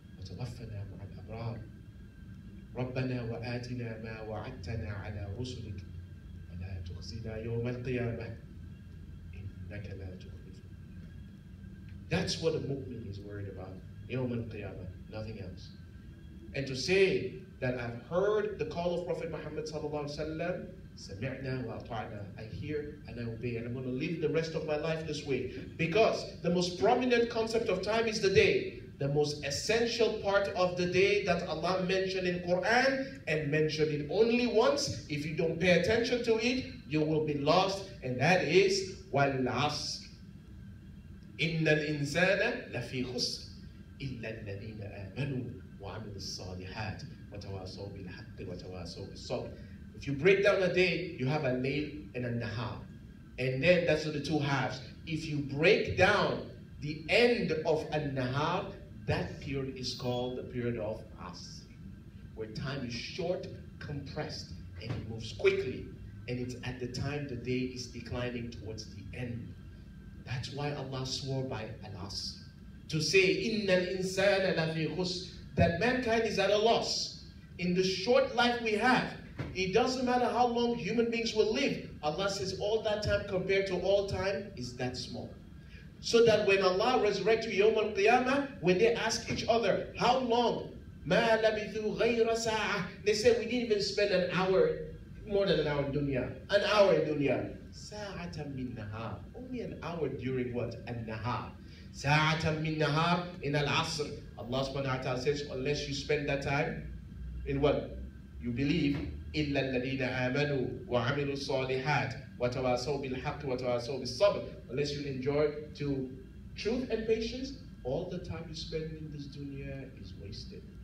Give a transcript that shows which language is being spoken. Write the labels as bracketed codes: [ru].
[ar] وتوفنا مع الأبرار ربنا وآتنا ما وعدتنا على رسلك ولا تخزنا يوم القيامة إنك لا تخلف. [en] That's what a mu'min is worried about. يوم القيامة, nothing else. And to say that I've heard the call of Prophet Muhammad sallallahu alaihi wasallam, سمعنا وأطعنا, I hear and I obey, and I'm going to live the rest of my life this way. Because the most prominent concept of time is the day. The most essential part of the day that Allah mentioned in Quran, and mentioned it only once. If you don't pay attention to it, you will be lost. [ar] And that is وَالْعَصْرِ إِنَّ الْإِنسَانَ لَفِي خُسْرِ إِلَّا الَّذِينَ آمَنُوا وَعَمِلُوا الصَّالِحَاتِ وَتَوَاصَوْا بِالْحَقِّ وَتَوَاصَوْا بِالصَّبْرِ. [en] If you break down a day, you have a layl and a nahar. And then that's the two halves. If you break down the end of a nahar, that period is called the period of asr, where time is short, compressed, and it moves quickly. And it's at the time the day is declining towards the end. That's why Allah swore by al-asr, to say, إِنَّ الْإِنسَانَ لَفِي خُسْرِ, that mankind is at a loss. In the short life we have, it doesn't matter how long human beings will live. Allah says all that time compared to all time is that small. So that when Allah resurrects you, يوم القيامة, when they ask each other, how long? مَا لَبِثُوا غَيْرَ سَاعَةً, they say we didn't even spend an hour, more than an hour in dunya. An hour in dunya. سَاعَةً مِن نَهَار. Only an hour during what? An nahar. [ar] سَاعَةً مِن نَهَار in al-asr. [en] Allah subhanahu wa ta'ala says, unless you spend that time in what? [ar] You believe. إِلَّا الَّذِينَ آمَنُوا وَعَمِلُوا الصَّالِحَاتِ وَتَوَاصَوْا بِالْحَقِّ وَتَوَاصَوْا بِالصَّبْرِ. [en] Unless you enjoy to truth and patience, all the time you spend in this dunya is wasted.